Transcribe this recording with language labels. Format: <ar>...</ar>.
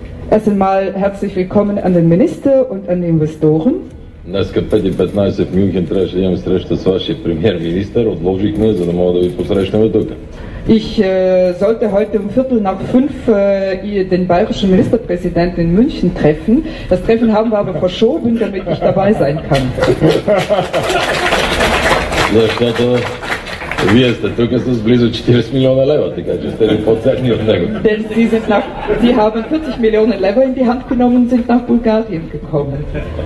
<de>Erst einmal herzlich willkommen an den Minister und an die Investoren.</de> <bg>Днеска 5:15 в Мюнхен трябваше да имаме среща с вашия премьер-министър. Отложихме, за да мога да ви посрещнем тук.</bg> <de>Ich sollte heute um 5:15 den bayerischen Ministerpräsidenten in München treffen. Das Treffen haben wir aber verschoben, damit ich dabei sein kann.</de> <bg>Защото вие сте тук с близо 40 милиона лева, така че сте ли по-ценни от него.</bg> <de>Denn Sie sind nach, Sie haben 40 Millionen Lever in die Hand genommen und sind nach Bulgarien gekommen.</de>